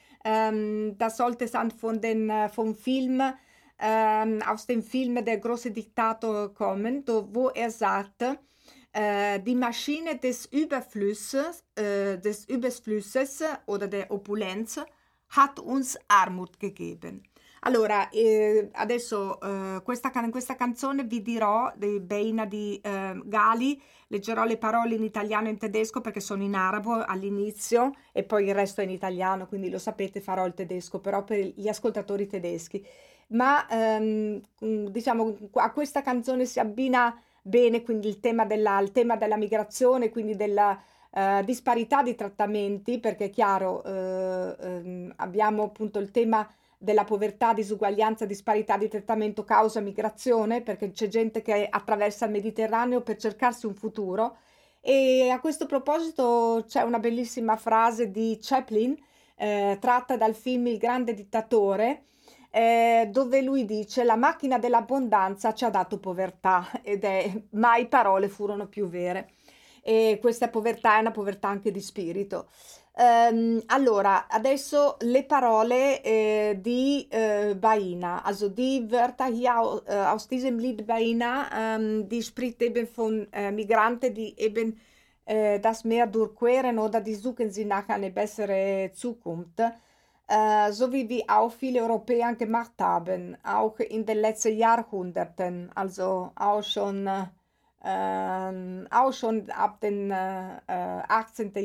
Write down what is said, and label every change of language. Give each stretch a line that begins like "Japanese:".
German: Das sollte sein aus dem Film Der große Diktator kommen, wo er sagte, die Maschine des Überflusses oder der Opulenz hat uns Armut gegeben.
Italian: Allora, adesso questa canzone vi dirò, di Beina di Gali, leggerò le parole in italiano e in tedesco perché sono in arabo all'inizio e poi il resto è in italiano, quindi lo sapete, farò il tedesco, però per gli ascoltatori tedeschi. Ma diciamo, a questa canzone si abbina bene quindi il tema della migrazione, quindi della disparità di trattamenti, perché è chiaro, abbiamo appunto il tema della povertà, disuguaglianza, disparità di trattamento causa migrazione, perché c'è gente che attraversa il Mediterraneo per cercarsi un futuro. E a questo proposito c'è una bellissima frase di Chaplin, tratta dal film Il grande dittatore, dove lui dice: la macchina dell'abbondanza ci ha dato povertà, ed è mai parole furono più vere. E questa povertà è una povertà anche di spirito. Allora, adesso le parole di Baina,
German: also die Wörter hier aus diesem Lied Baina, die spricht eben von Migranten, die eben das Meer durchqueren oder die suchen sie nach einer besseren Zukunft, so wie auch viele Europäer gemacht haben, auch in den letzten Jahrhunderten, also auch schon ab dem 18.